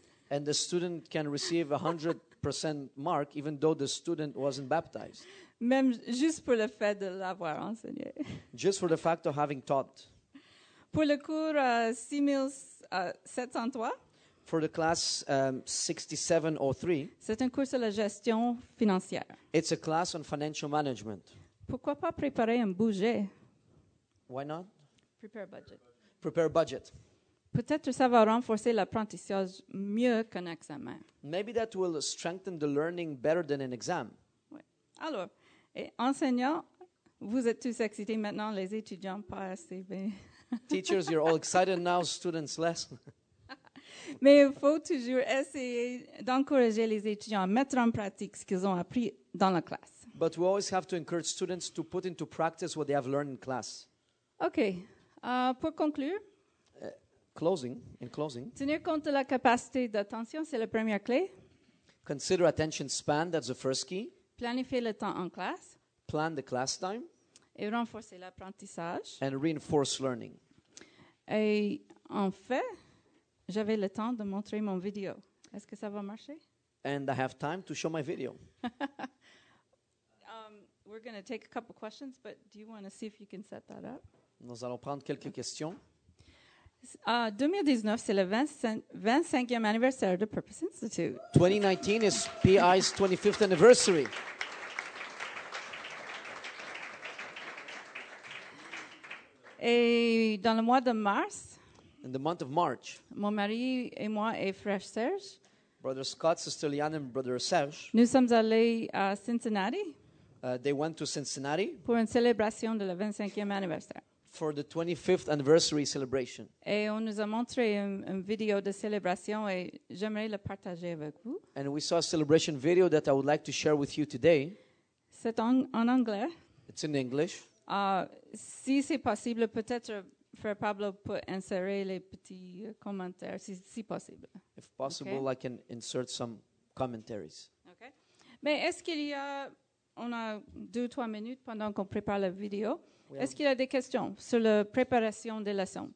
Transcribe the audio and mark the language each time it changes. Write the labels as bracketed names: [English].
[English] And the student can receive 100% mark even though the student wasn't baptized. [French] Même juste pour le fait de l'avoir enseigné. [English] Just for the fact of having taught. [French] Pour le cours 6703. [English] For the class 6703. [French] C'est un cours sur la gestion financière. [English] It's a class on financial management. [French] Pourquoi pas préparer un budget? [English] Why not? Prepare a budget. Prepare a budget. [French] Peut-être ça va renforcer l'apprentissage mieux qu'un examen. [English] Maybe that will strengthen the learning better than an exam. [French] Oui. Alors, et enseignants, vous êtes tous excités maintenant, les étudiants pas assez bien. [English] Teachers, you're all excited now, students less. [French] Mais il faut toujours essayer d'encourager les étudiants à mettre en pratique ce qu'ils ont appris dans la classe. [English] But we always have to encourage students to put into practice what they have learned in class. [French] Okay. Pour conclure. [English] In closing. [French] Tenir compte de la capacité d'attention, c'est la première clé. [English] Consider attention span, that's the first key. [French] Planifier le temps en classe. [English] Plan the class time. [French] Et renforcer l'apprentissage. [English] And reinforce learning. [French] Et en fait, j'avais le temps de montrer mon vidéo. Est-ce que ça va marcher? [English] And I have time to show my video. We're going to take a couple questions, but do you want to see if you can set that up? [French] Nous allons prendre quelques questions. 2019, c'est le 25e anniversaire de Purpose Institute. [English] 2019 is PI's 25th anniversary. [French] Et dans le mois de mars, [English] in the month of March, [French] mon mari et moi et frère Serge, [English] Brother Scott, Sister Liane and Brother Serge, [French] nous sommes allés à Cincinnati. [English] They went to Cincinnati [French] pour une célébration de la 25e anniversaire. [English] For the 25th anniversary celebration. [French] Et on nous a montré une vidéo de célébration et j'aimerais le partager avec vous. [English] And we saw a celebration video that I would like to share with you today. [French] C'est en anglais. [English] It's in English. [French] Si c'est possible, peut-être Frère Pablo peut insérer les petits commentaires, si possible. [English] If possible, okay. I can insert some commentaries. [French] Okay. Mais est-ce qu'il y a... On a 2-3 minutes pendant qu'on prépare la vidéo. Est-ce qu'il y a des questions sur la préparation des leçons?